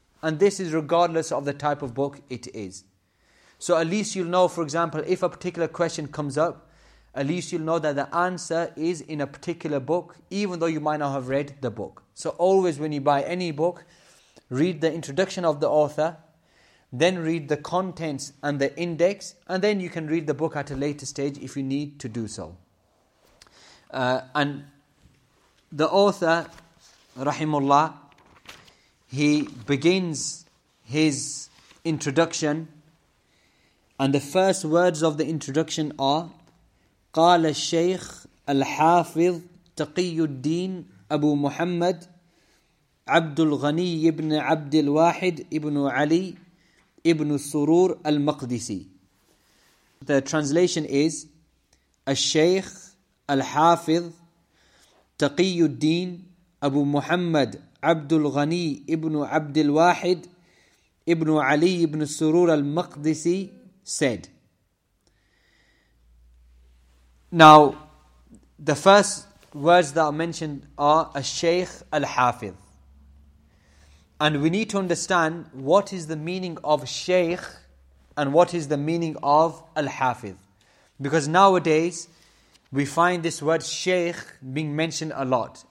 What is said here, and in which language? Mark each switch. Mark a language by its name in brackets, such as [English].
[English] And this is regardless of the type of book it is. So at least you'll know, for example, if a particular question comes up, at least you'll know that the answer is in a particular book, even though you might not have read the book. So always when you buy any book, read the introduction of the author, then read the contents and the index, and then you can read the book at a later stage if you need to do so. And the author, rahimullah, he begins his introduction, and the first words of the introduction are, [Arabic] قال الشيخ الحافظ تقي الدين أبو محمد عبد الغني ابن عبد الواحد ابن علي ابن السرور المقدسي. [English] The translation is, [Arabic] الشيخ الحافظ تقي الدين أبو محمد عبد الغني ابن عبد الواحد ابن علي ابن السرور المقدسي [English] said. Now, the first words that are mentioned are al-Shaykh al-Hafiz. And we need to understand what is the meaning of Shaykh and what is the meaning of al-Hafiz. Because nowadays, we find this word Shaykh being mentioned a lot.